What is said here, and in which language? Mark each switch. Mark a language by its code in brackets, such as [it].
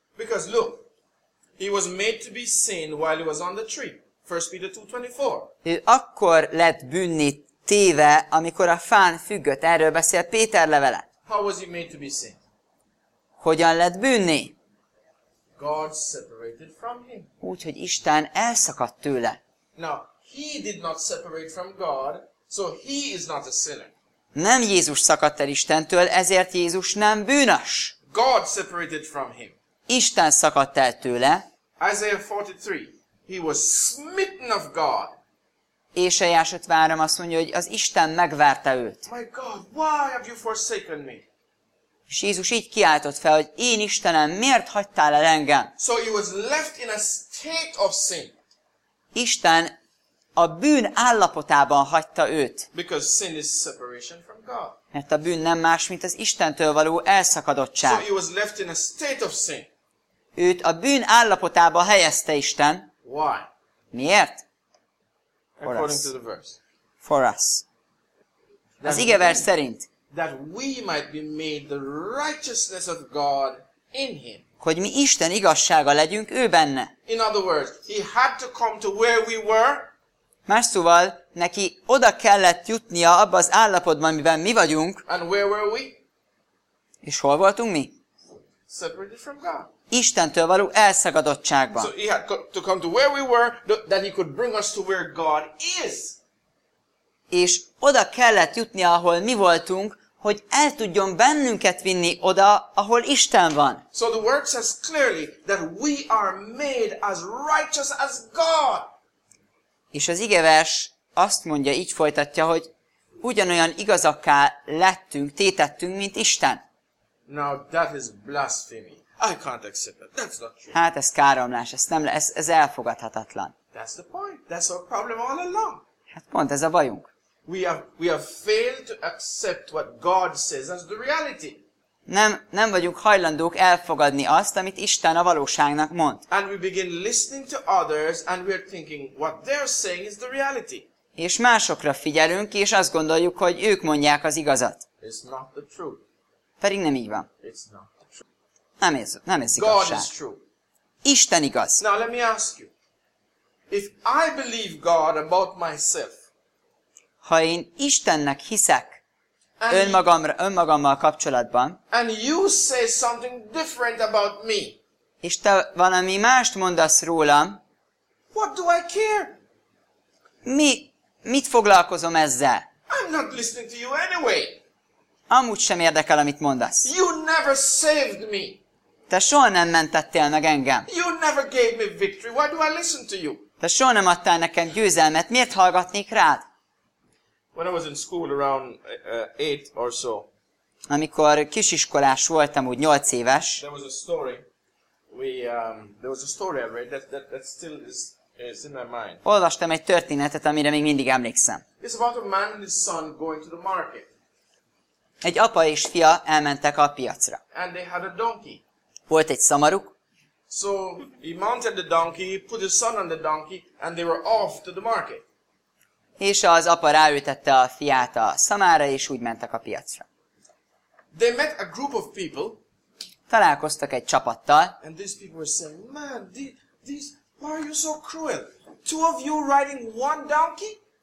[en] Because look, he was made to be sin while he was on the tree. 1 Peter 2:24. [hu] Akkor lett bűnné téve, amikor a fán függött. Erről beszél Péter levele. [en] How was he made to be sin? [hu] Hogyan lett bűnné? [en] God separated from him. [hu] Úgy, hogy Isten elszakadt tőle. [en] Now, he did not separate from God, so he is not a sinner. [hu] Nem Jézus szakadt el Istentől, ezért Jézus nem bűnös. [en] God separated from him. [hu] Isten szakadt el tőle. [en] Isaiah 43. He was smitten of God. [hu] Ésaiás 53 azt mondja, hogy az Isten megverte őt. [en] My God, why have you forsaken me? [hu] És Jézus így kiáltott fel, hogy én Istenem, miért hagytál el engem? [en] So he was left in a state of sin. [hu] Isten a bűn állapotában hagyta őt. [en] Because sin is separation from God. [hu] Mert a bűn nem más, mint az Istentől való elszakadottság. [en] So he was left in a state of sin. [hu] Őt a bűn állapotába helyezte Isten. [en] Why? [hu] Miért? [en] For According us. To the verse. For us. That [hu] az igevers szerint. [en] That we might be made the righteousness of God in him. [hu] Hogy mi Isten igazsága legyünk ő benne. [en] In other words, he had to come to where we were. [hu] Más szóval, neki oda kellett jutnia abba az állapotban, amiben mi vagyunk. [en] And where were we? [hu] És hol voltunk mi? [en] Separated from God. [hu] Istentől való elszakadottságban. [en] So he had to come to where we were, then he could bring us to where God is. [hu] És oda kellett jutnia, ahol mi voltunk, hogy el tudjon bennünket vinni oda, ahol Isten van. [en] So the word says clearly that we are made as righteous as God. [hu] És az igevers azt mondja, így folytatja, hogy ugyanolyan igazakká lettünk, tétettünk, mint Isten. [en] Now that is blasphemy. I can't accept that. That's not true. [hu] Hát ez káromlás, ez elfogadhatatlan. [en] That's the point. That's our problem all along. [hu] Hát pont ez a bajunk. [en] We have failed to accept what God says as the reality. [hu] Nem vagyunk hajlandók elfogadni azt, amit Isten a valóságnak mond. [en] And we begin listening to others and we are thinking what they're saying is the reality. [hu] És másokra figyelünk, és azt gondoljuk, hogy ők mondják az igazat. [en] It's not the truth. [hu] Pedig nem így van. [en] It's not the truth. [hu] Nem ez igazság. [en] God is true. [hu] Isten igaz. [en] Now let me ask you. If I believe God about myself. [hu] Ha én Istennek hiszek önmagammal kapcsolatban. [en] And you say something different about me. [hu] És te valami mást mondasz rólam. [en] What do I care? [hu] Mit foglalkozom ezzel? [en] I'm not listening to you anyway. [hu] Amúgy sem érdekel, amit mondasz. [en] You never saved me. [hu] Te soha nem mentettél meg engem. [en] You never gave me victory. Why do I listen to you? [hu] Te soha nem adtál nekem győzelmet. Miért hallgatnék rád? [en] When I was in school around 8 or so. [hu] Amikor kisiskolás voltam, úgy 8 éves. [en] There was a story. There was a story I read that still is. It's in my mind. [hu] Olvastam egy történetet, amire még mindig emlékszem. [en] It's about a man and his son going to the market. [hu] Egy apa és fia elmentek a piacra. [en] And they had a donkey. [hu] Volt egy szamaruk. [en] So he mounted the donkey, put his son on the donkey, and they were off to the market. [hu] És az apa ráültette a fiát a szamára, és úgy mentek a piacra. [en] They met a group of people. [hu] Találkoztak egy csapattal. [en] And these people were saying, man, these... Why are you so cruel? Two of you riding one donkey?